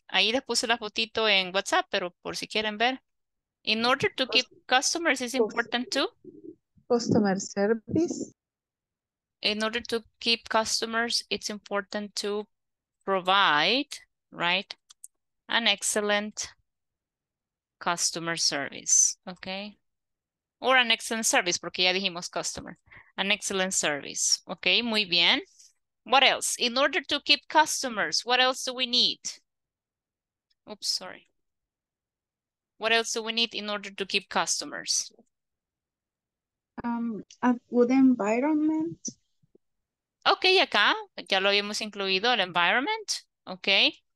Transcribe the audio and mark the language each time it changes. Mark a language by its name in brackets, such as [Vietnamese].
[Spanish] Ahí les puse la fotito en WhatsApp, pero por si quieren ver. [English] In order to keep customers, it's important too? Customer service. In order to keep customers, it's important to provide, right, an excellent customer service, okay? Or an excellent service, [Spanish] porque ya dijimos [English] customer. An excellent service, okay? [Spanish] Muy bien. [English] What else? In order to keep customers, what else do we need? Oops, sorry. What else do we need in order to keep customers? A good environment. [Spanish] Okay, acá ya lo habíamos incluido, el environment, okay.